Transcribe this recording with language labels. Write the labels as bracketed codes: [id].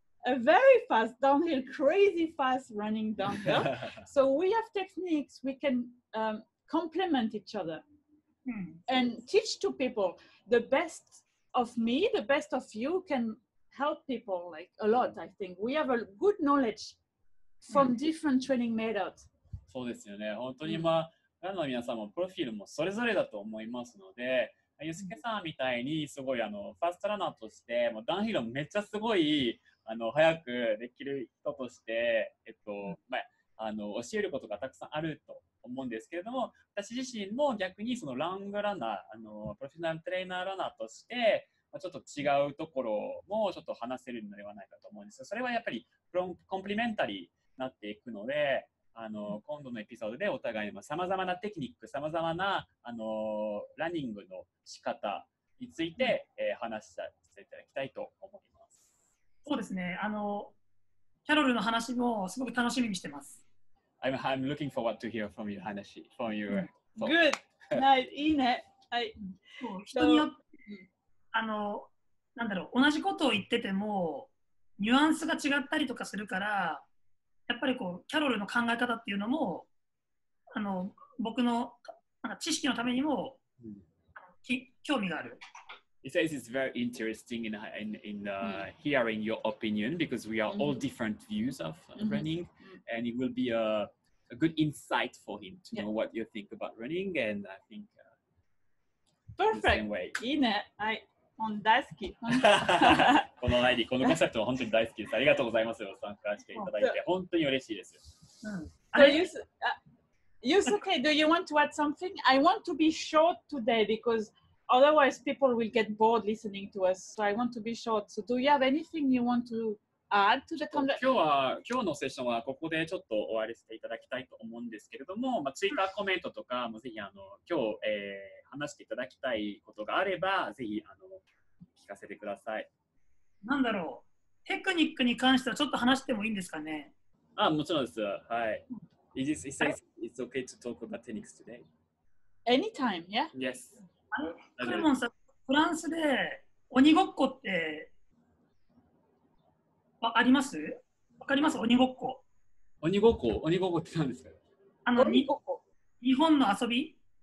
[en] A very fast downhill, crazy fast running downhill. So we have techniques we can、complement each other、and teach to people. The best of me, the best of you canhelp people like a lot, I think. We have a good knowledge from different training methods. [ja] そうですよね。本当にまあ、ランナーの皆さんもプロフィールもそれぞれだと思いますので、ユースケさんみたいにすごいあのファーストランナーとして、もうダウンヒルもめっちゃすごいあの早くできる人として、まあ、あの教えることがたくさんあると思うんですけれども、私自身も逆にそのラングランナー、あのプロフェッショナルトレーナーランナーとして、まあ、ちょっと違うところもちょっと話せるのではないかと思うんですが、それはやっぱりコンプリメンタリーになっていくので、今度のエピソードでお互いにさまざまなテクニック、さまざまな、ランニングの仕方について、話させていただきたいと思います。そうですね、キャロルの話もすごく楽しみにしてます。 [en] I'm looking forward to hear from your 話 from you、 so. Good! Nice! [ja] いいね、はい、人によって、なんだろう、同じことを言っててもニュアンスが違ったりとかするから、やっぱりこうキャロルの考え方っていうのも、僕のなんか知識のためにも、興味がある。 [en] He says it's very interesting in hearing your opinion because we are all different views of running, and it will be a good insight for him to know what you think about running. And I think perfect. The same way. [ja] いいね。はい。本大好き。このアイディ、このコンセプトは本当に大好きです。ありがとうございます。参加していただいて本当に嬉しいです。 [en] Yusuke, do you want to add something? I want to be short today because otherwise people will get bored listening to us. So I want to be short. So do you have anything you want to add to the conversation? [ja] 今日のセッションはここでちょっと終わりしていただきたいと思うんですけれども、まあ、Twitter コメントとかもぜひ今日、話していただきたいことがあれば、ぜひ聞かせてください。なんだろう、テクニックに関してはちょっと話してもいいんですかね。あ、もちろんです。はい。 [en] It says it's okay to talk about techniques today. Anytime, yeah? Yes. [ja] クレモンさん、フランスで鬼ごっこって あります? わかります?鬼ごっこ。鬼ごっこ? 鬼ごっこって何ですか? 鬼ごっこ。日本の遊び?